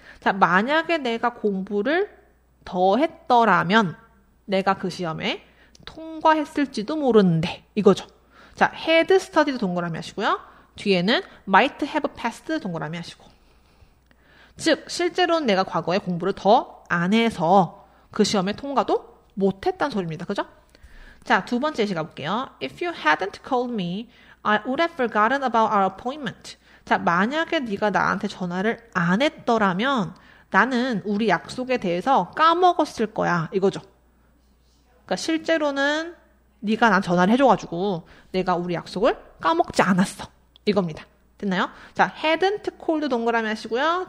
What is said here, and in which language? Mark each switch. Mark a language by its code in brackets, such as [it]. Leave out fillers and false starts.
[ko] 자, 만약에 내가 공부를 더 했더라면 내가 그 시험에 통과했을지도 모르는데 이거죠. 자, had studied 동그라미 하시고요. 뒤에는 might have passed 동그라미 하시고. 즉, 실제로는 내가 과거에 공부를 더 안 해서 그 시험에 통과도 못 했단 소리입니다. 그죠? 자, 두 번째 예시 가볼게요. [en] If you hadn't called me, I would have forgotten about our appointment. [ko] 자, 만약에 네가 나한테 전화를 안 했더라면 나는 우리 약속에 대해서 까먹었을 거야. 이거죠. 그러니까 실제로는 네가 나 전화를 해줘가지고 내가 우리 약속을 까먹지 않았어. 이겁니다. 됐나요? 자, hadn't called 동그라미 하시고요.